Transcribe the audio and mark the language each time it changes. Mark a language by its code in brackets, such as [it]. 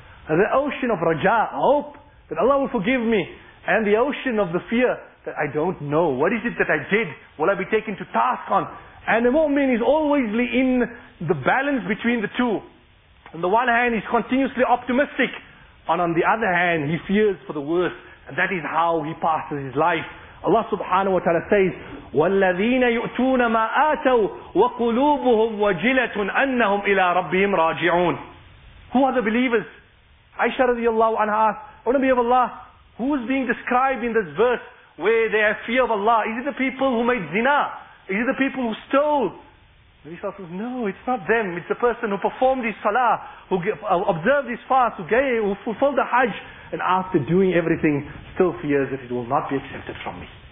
[en] The ocean of raja, hope that Allah will forgive me. And the ocean of the fear that I don't know. What is it that I did? Will I be taken to task on? And the mu'min is always in the balance between the two. On the one hand, he's continuously optimistic. And on the other hand, he fears for the worst. And that is how he passes his life. Allah subhanahu wa ta'ala says, [ar] وَالَّذِينَ يُؤْتُونَ مَا آتَوْا وَقُلُوبُهُمْ وَجِلَةٌ أَنَّهُمْ إِلَىٰ رَبِّهِمْ رَاجِعُونَ. [en] Who are the believers? Aisha radiyallahu anha asked, O Nabi of Allah, who is being described in this verse where they have fear of Allah? Is it the people who made zina? Is it the people who stole? And he says, no, it's not them. It's the person who performed his salah, who observed his fast, who fulfilled the hajj, and after doing everything, still fears that it will not be accepted from me.